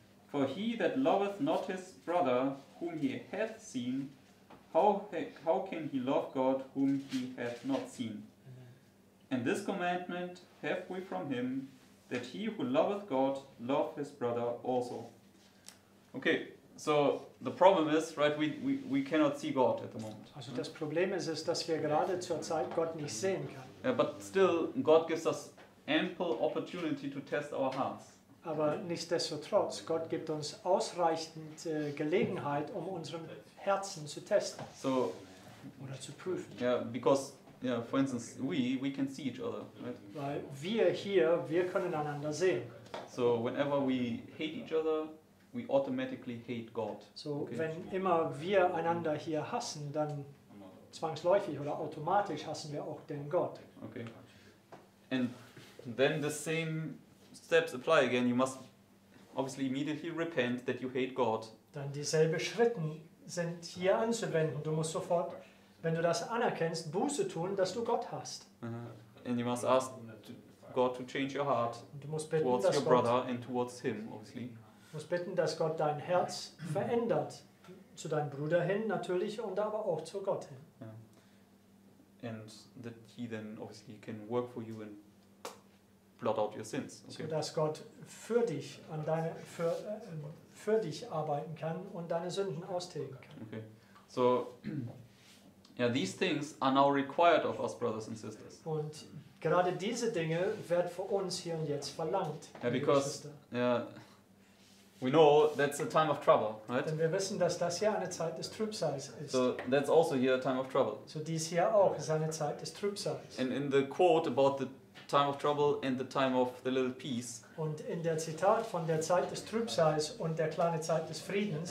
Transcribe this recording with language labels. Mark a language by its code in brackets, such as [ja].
[en] For he that loveth not his brother, whom he hath seen, how can he love God, whom he hath not seen? Amen. And this commandment have we from him, that he who loveth God, love his brother also. Okay, so the problem is, right, we cannot see God at the moment. [de] Also das Problem ist es, dass wir gerade zur Zeit Gott nicht sehen können. [en] Yeah, but still, God gives us ample opportunity to test our hearts. [de] Aber nichtsdestotrotz, Gott gibt uns ausreichend Gelegenheit, um unserem Herzen zu testen. [en] So, [de] oder zu prüfen. [en] Yeah, because, yeah, for instance, we can see each other, right? [de] Weil wir hier, wir können einander sehen. [en] So, whenever we hate each other, we automatically hate God. So, okay? [de] Wenn immer wir einander hier hassen, dann zwangsläufig oder automatisch hassen wir auch den Gott. [en] Okay. And then the same steps apply again. You must obviously immediately repent that you hate God. [de] Dann dieselbe Schritten sind hier anzuwenden. Du musst sofort, wenn du das anerkennst, Buße tun, dass du Gott hast. [en] And you must ask God to change your heart towards your brother and towards him, obviously. [de] Du musst bitten, dass Gott dein Herz verändert, zu deinem Bruder hin natürlich und aber auch zu Gott hin. [en] Yeah. And that he then obviously can work for you and blot out your sins. Okay. [de] So dass Gott für dich an deine, für, für dich arbeiten kann und deine Sünden austilgen kann. [en] Okay. So, yeah, these things are now required of us, brothers and sisters. [de] Und gerade diese Dinge wird für uns hier und jetzt verlangt. [en] Yeah, because we know that's a time of trouble, right? [de] Denn wir wissen, dass das hier eine Zeit des Trübsals ist. [en] So that's also here a time of trouble. [de] So dies hier auch ist eine Zeit des Trübsals. [en] And in the quote about the time of trouble and the time of the little peace. [de] Und in der Zitat von der Zeit des Trübsals und der kleine Zeit des Friedens.